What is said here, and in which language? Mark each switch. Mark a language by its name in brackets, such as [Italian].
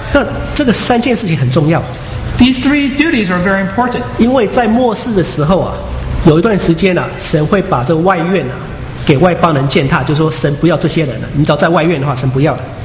[Chinese] 那这个三件事情很重要。 [English] These three duties are very important. [Chinese] 因为在末世的时候啊，有一段时间啊，神会把这个外院啊给外邦人践踏，就说神不要这些人了。你只要在外院的话，神不要了。